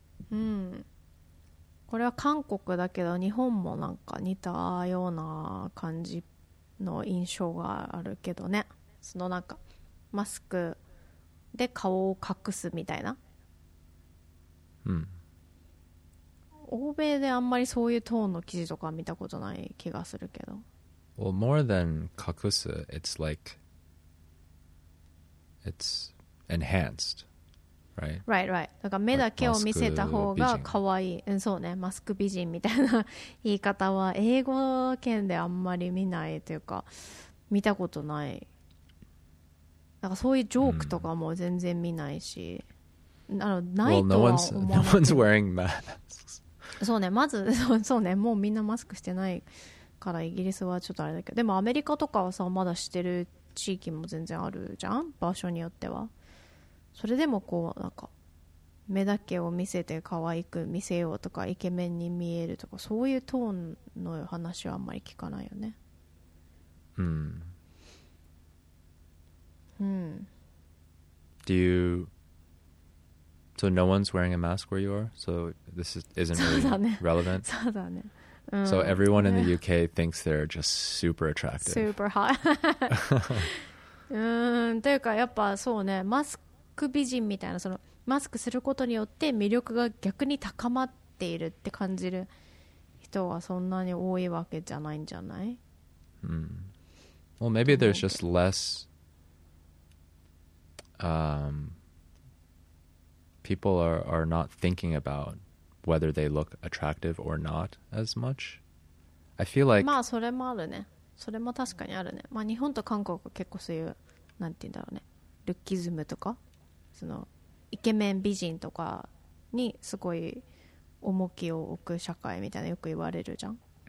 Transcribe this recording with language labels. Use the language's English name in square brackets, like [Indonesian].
[Japanese] うん。これは韓国だけど日本もなんか似たような感じの印象があるけどね。そのなんかマスクで顔を隠すみたいな、うん、欧米であんまりそういうトーンの記事とか見たことない気がするけど、 [English] Well, more than 隠す it's like it's enhanced, right? Right, right. [Japanese] だから目だけを見せた方が可愛い、うん、そうね、マスク美人みたいな言い方は英語圏であんまり見ないというか見たことない。なんかそういうジョークとかも全然見ないし、あの、ないとは思わない。 [English] Well, no one's wearing masks. [Japanese] そうね、まず、そうね、もうみんなマスクしてないからイギリスはちょっとあれだけど、でもアメリカとかはさ、まだしてる地域も全然あるじゃん、場所によっては。それでもこう、なんか、目だけを見せて可愛く見せようとか、イケメンに見えるとか、そういうトーンの話はあんまり聞かないよね。うん。 [English] Do you? So no one's wearing a mask where you are. So this isn't really relevant. [Japanese] そうだね。 [English] So everyone in the UK thinks they're just super attractive. Super hot. [Japanese] というかやっぱそうね、マスク美人みたいな、そのマスクすることによって魅力が逆に高まっているって感じる人はそんなに多いわけじゃないんじゃない？ [English] Mm. Well, maybe there's just less. People are not thinking about whether they look attractive or not as much. I feel like. [Japanese] まあそれもあるね。それも確かにあるね。まあ日本と韓国は結構そういうなんて言うんだろうね、ルッキズムとか、そのイケメン美人とかにすごい重きを置く社会みたいなよく言われるじゃん。